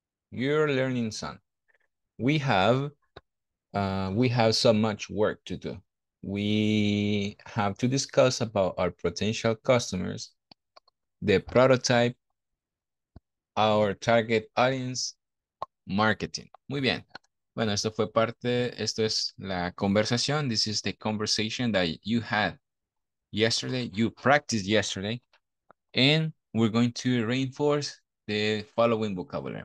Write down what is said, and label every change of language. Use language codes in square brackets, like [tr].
[en] You're learning, son. We have so much work to do. We have to discuss about our potential customers, the prototype, our target audience, marketing. [es] Muy bien. Bueno, esto fue parte, esto es la conversación. [en] This is the conversation that you had yesterday, you practiced yesterday, and we're going to reinforce the following vocabulary.